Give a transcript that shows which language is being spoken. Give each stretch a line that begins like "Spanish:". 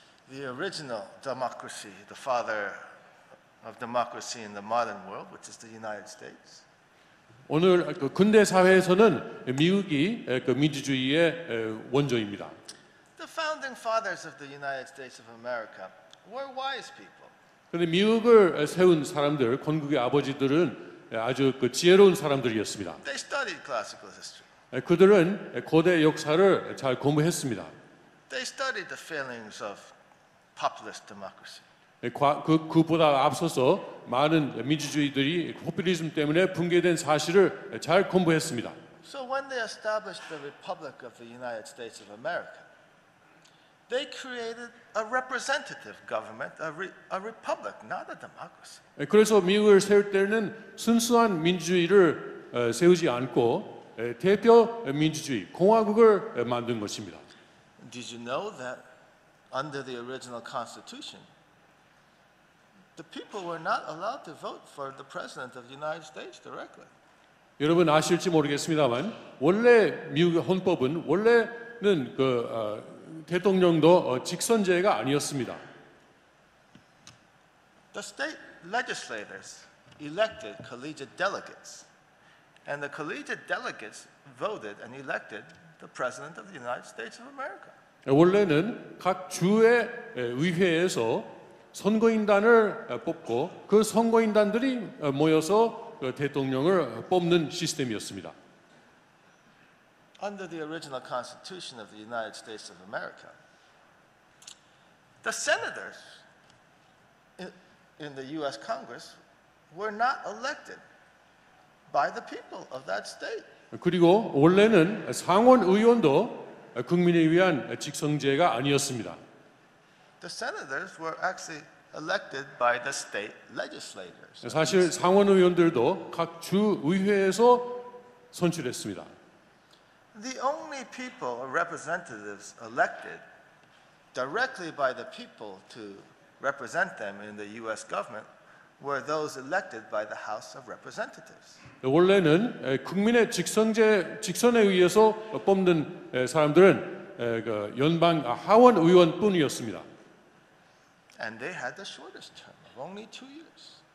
English: The original democracy, the father of democracy in the modern world, which is the United States.
Korean: 오늘 그 근대 사회에서는 미국이 그 민주주의의 원조입니다.
English: The founding fathers of the United States of America were wise people.
Korean: 그런데 미국을 세운 사람들, 건국의 아버지들은 아주 그 지혜로운 사람들이었습니다.
English: They studied classical history.
Korean: 그들은 고대 역사를 잘 공부했습니다.
English: They studied the failings of populist democracy.
Korean: 그보다 앞서서 많은 민주주의들이 포퓰리즘 때문에 붕괴된 사실을 잘 공부했습니다.
English: So when they established the Republic of the United States of America, they created a representative government, a republic, not a democracy.
Korean: 그래서 미국을 세울 때는 순수한 민주주의를 세우지 않고 대표 민주주의 공화국을 만든 것입니다.
English: Did you know that under the original constitution the people were not allowed to vote for the president of the United States directly?
Korean: 여러분 아실지 모르겠습니다만 원래 미국의 헌법은 원래는 그 대통령도 직선제가 아니었습니다.
English: The state legislators elected collegiate delegates. And the collegiate delegates voted and elected the president of the United States of America.
Korean: 원래는 각 주의 의회에서 선거인단을 뽑고 그 선거인단들이 모여서 대통령을 뽑는 시스템이었습니다.
English: Under the original constitution of the United States of America, the senators in the U.S. Congress were not elected by the people of that state.
Korean: 그리고 원래는 상원 의원도 국민에 의한 직선제가 아니었습니다.
English: The senators were actually elected by the state legislators.
Korean: 사실 상원 의원들도 각 주 의회에서 선출했습니다.
English: The only people or representatives elected directly by the people to represent them in the US government were those elected by the House of Representatives.
Korean: 원래는 국민의 직선에 의해서 뽑는 사람들은 연방 하원 의원뿐이었습니다.
English: And they had the shortest term, only 2 years.